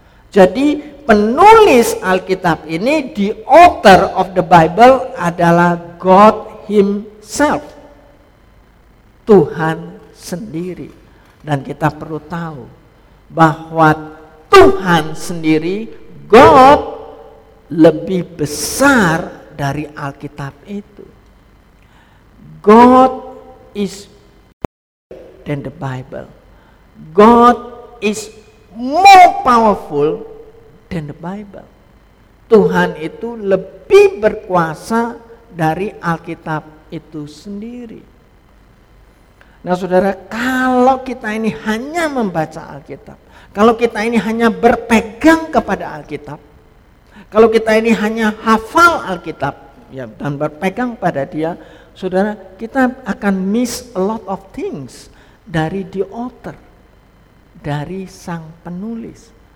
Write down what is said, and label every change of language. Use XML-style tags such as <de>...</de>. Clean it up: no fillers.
<id>Jadi, penulis Alkitab ini,</id> <en>the author of the Bible</en> <id>adalah</id> <en>God himself.</en> <id>Tuhan sendiri. Dan kita perlu tahu bahwa Tuhan sendiri, God, lebih besar dari Alkitab itu.</id> <en>God is bigger than the Bible. God is more powerful than the Bible.</en> <id>Tuhan itu lebih berkuasa dari Alkitab itu sendiri. Nah, saudara, kalau kita ini hanya membaca Alkitab, kalau kita ini hanya berpegang kepada Alkitab, kalau kita ini hanya hafal Alkitab ya, dan berpegang pada dia, saudara, kita akan</id> <en>miss a lot of things</en> <id>dari</id> <en>the author,</en> <id>dari sang penulis.</id>